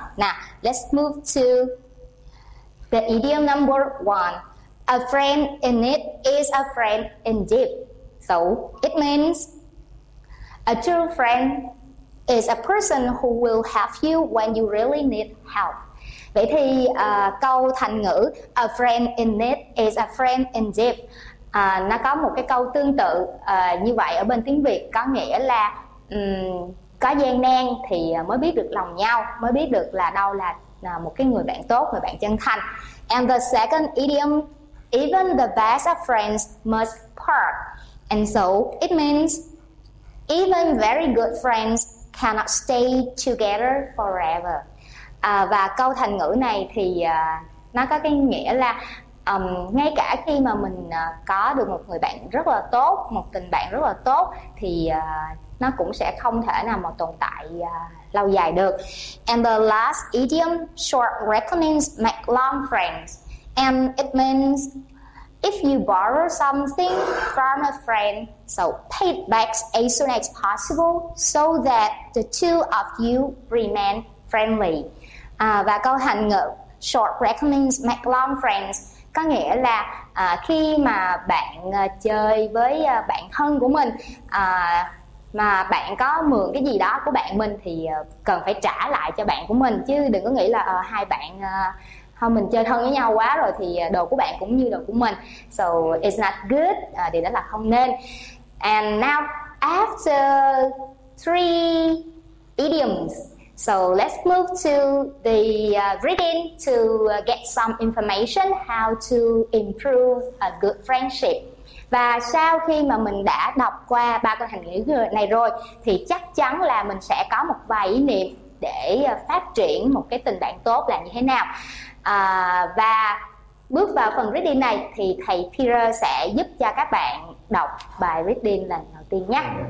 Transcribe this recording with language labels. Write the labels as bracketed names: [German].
[English] Now, let's move to the idiom number one. A friend in need is a friend indeed. So it means a true friend is a person who will help you when you really need help. [Vietnamese] Vậy thì câu thành ngữ [English] a friend in need is a friend indeed, [Vietnamese] nó có một cái câu tương tự như vậy ở bên tiếng Việt, có nghĩa là có gian nan thì mới biết được lòng nhau, mới biết được là đâu là một cái người bạn tốt, người bạn chân thành. [English] And the second idiom, even the best of friends must part. And so it means even very good friends cannot stay together forever. [Vietnamese] Và câu thành ngữ này thì nó có cái nghĩa là ngay cả khi mà mình có được một người bạn rất là tốt, một tình bạn rất là tốt, thì nó cũng sẽ không thể nào mà tồn tại lâu dài được. [English] And the last idiom, short recognize make long friends. And it means if you borrow something from a friend, so pay it back as soon as possible so that the two of you remain friendly. [Vietnamese] Và câu thành ngữ [English] short recommends make long friends [Vietnamese] có nghĩa là khi mà bạn chơi với bạn thân của mình, mà bạn có mượn cái gì đó của bạn mình thì cần phải trả lại cho bạn của mình, chứ đừng có nghĩ là hai bạn thôi mình chơi thân với nhau quá rồi thì đồ của bạn cũng như đồ của mình. [English] So it's not good, [Vietnamese] điều đó là không nên. [English] And now after three idioms, so let's move to the reading to get some information how to improve a good friendship. [Vietnamese] Và sau khi mà mình đã đọc qua ba câu thành ngữ này rồi thì chắc chắn là mình sẽ có một vài ý niệm để phát triển một cái tình bạn tốt là như thế nào. Và bước vào phần reading này thì thầy Peter sẽ giúp cho các bạn đọc bài reading lần đầu tiên nhé.